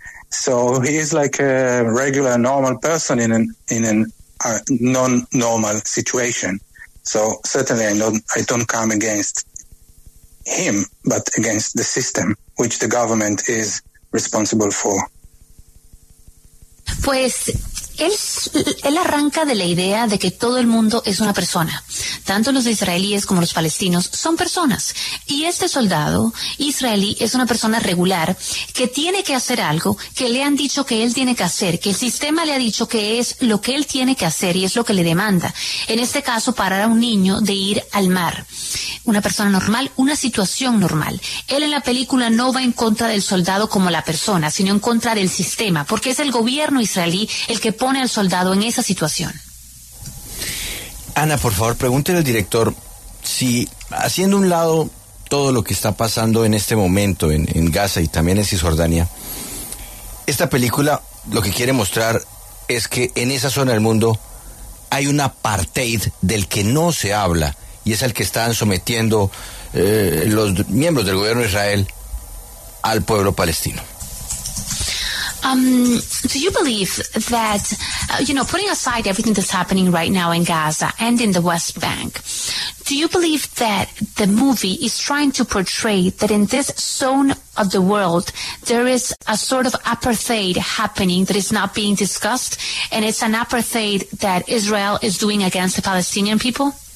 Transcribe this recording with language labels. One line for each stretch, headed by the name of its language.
English: So he is like a regular normal person in a non-normal situation. So certainly I don't come against him, but against the system which the government is responsible for.
Spanish: Pues él arranca de la idea de que todo el mundo es una persona. Tanto los israelíes como los palestinos son personas. Y este soldado israelí es una persona regular que tiene que hacer algo que le han dicho que él tiene que hacer, que el sistema le ha dicho que es lo que él tiene que hacer y es lo que le demanda. En este caso, parar a un niño de ir al mar. Una persona normal, una situación normal. Él en la película no va en contra del soldado como la persona, sino en contra del sistema, porque es el gobierno israelí el que pone al soldado en esa situación. Ana, por favor, pregúntele al director si, haciendo un lado todo lo que está pasando en este momento en Gaza y también en Cisjordania, esta película lo que quiere mostrar es que en esa zona del mundo hay un apartheid del que no se habla y es al que están sometiendo los miembros del gobierno de Israel al pueblo palestino.
English: Do you believe that, you know, putting aside everything that's happening right now in Gaza and in the West Bank, do you believe that the movie is trying to portray that in this zone of the world, there is a sort of apartheid happening that is not being discussed, and it's an apartheid that Israel is doing against the Palestinian people?